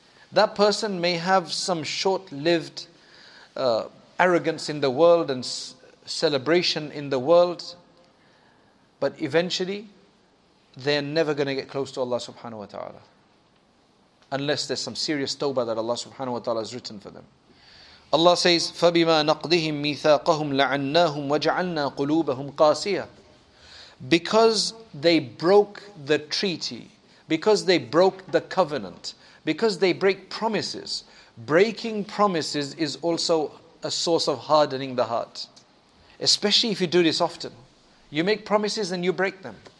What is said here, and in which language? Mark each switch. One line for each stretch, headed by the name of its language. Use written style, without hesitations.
English: That person may have some short-lived arrogance in the world and celebration in the world, but eventually they're never going to get close to Allah subhanahu wa ta'ala unless there's some serious tawbah that Allah subhanahu wa ta'ala has written for them. Allah says,
Arabic: فَبِمَا نَقْضِهِمْ مِيثَاقَهُمْ لَعَنَّاهُمْ وَجَعَلْنَا قُلُوبَهُمْ قَاسِيَةً.
English: Because they broke the treaty, because they broke the covenant, because they break promises. Breaking promises is also a source of hardening the heart. Especially if you do this often. You make promises and you break them.